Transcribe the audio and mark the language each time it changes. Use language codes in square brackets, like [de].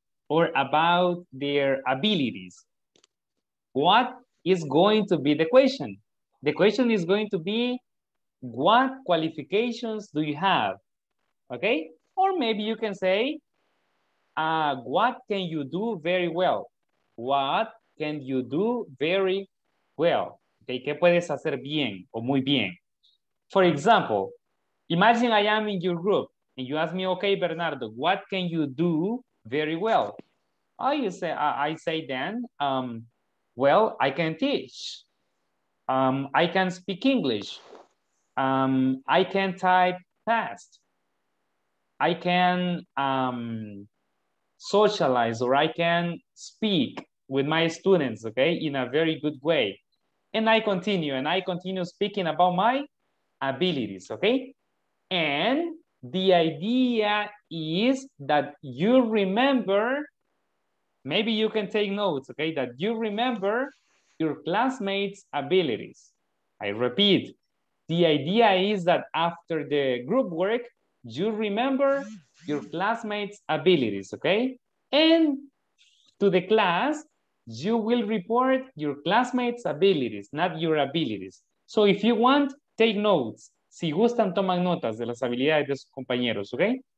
[en] Or about their abilities. What is going to be the question? The question is going to be, what qualifications do you have? Okay? Or maybe you can say, what can you do very well? What can you do very well? [es] Okay, ¿qué puedes hacer bien o muy bien? [en] For example, imagine I am in your group and you ask me, okay, Bernardo, what can you do very well? Oh, you say, I say then, well, I can teach. I can speak English. I can type fast. I can socialize, or I can speak with my students, okay, in a very good way. And I continue speaking about my abilities, okay? And the idea is that you remember, maybe you can take notes, okay? That you remember your classmates' abilities. I repeat, the idea is that after the group work, you remember your classmates' abilities, okay? And to the class, you will report your classmates' abilities, not your abilities. So if you want, take notes. [es] Si gustan, toman notas de las habilidades de sus compañeros, okay?